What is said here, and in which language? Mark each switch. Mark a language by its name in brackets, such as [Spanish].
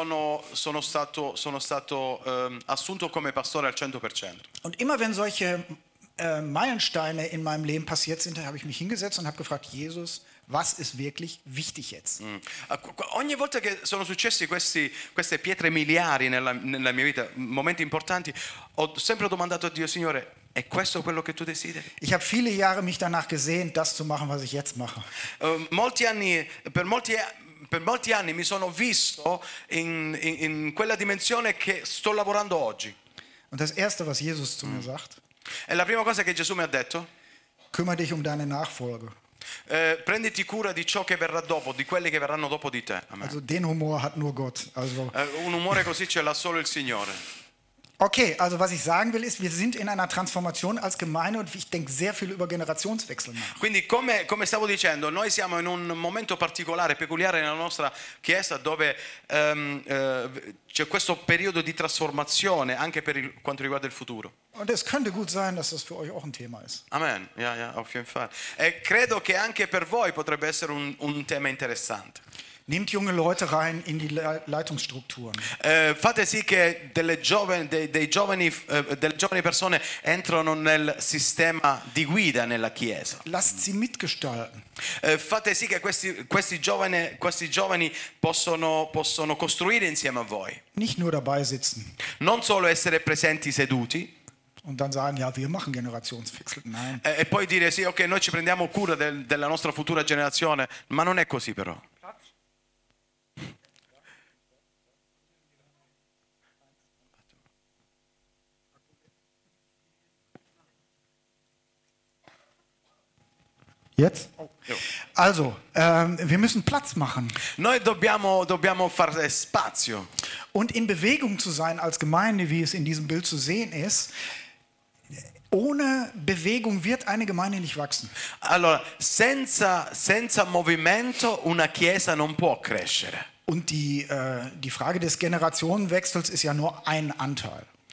[Italian] Quindi due anni fa sono stato assunto come pastore al 100%. [German] Und immer wenn solche Meilensteine in meinem Leben passiert sind, habe ich mich hingesetzt und habe gefragt, Jesus, was ist wirklich wichtig jetzt? [Italian] Ogni volta che sono successi queste pietre miliari nella mia vita, momenti importanti, ho sempre domandato a Dio, Signore, è questo quello che tu desideri? [German] Ich habe viele Jahre mich danach gesehnt, das zu machen, was ich jetzt mache. [Italian] Per molti anni mi sono visto in quella dimensione che sto lavorando oggi. [German] Und das erste, was Jesus zu mir sagt, [Italian] è la prima cosa che Gesù mi ha detto, [German] kümmere dich um deine Nachfolge. [Italian] Prenditi cura di ciò che verrà dopo, di quelli che verranno dopo di te. [German] Amen. Also den Humor hat nur Gott. Also [Italian] un umore così ce l'ha solo il Signore. [German] Okay, also was ich sagen will ist, wir sind in einer Transformation als Gemeinde und ich denke sehr viel über Generationswechsel nach. [Italian] Quindi come stavo dicendo, noi siamo in un momento particolare, peculiare nella nostra chiesa dove c'è questo periodo di trasformazione anche per quanto riguarda il futuro. [German] Und es könnte gut sein, dass das für euch auch ein Thema ist. Amen. Ja, auf jeden Fall. [Italian] E credo che anche per voi potrebbe essere un tema interessante. [German] Nehmt junge Leute rein in die Leitungsstrukturen. [Italian] Fate sì che delle giovani persone entrano nel sistema di guida nella chiesa. [German] Lasst sie mitgestalten. [Italian] Fate sì che questi giovani possono costruire insieme a voi. [German] Nicht nur dabei sitzen. [Italian] Non solo essere presenti seduti. [German] Und dann sagen, ja, wir machen Generationswechsel. Nein. [Italian] E poi dire sì, ok, noi ci prendiamo cura della nostra futura generazione, ma non è così però. [German] Jetzt? Also, wir müssen Platz machen. [Italian] Noi dobbiamo fare spazio. [German] Und in Bewegung zu sein als Gemeinde, wie es in diesem Bild zu sehen ist, ohne Bewegung wird eine Gemeinde nicht wachsen. [Italian] Allora, senza movimento una chiesa non può crescere. [German] Und die Frage des Generationenwechsels ist ja nur ein Anteil.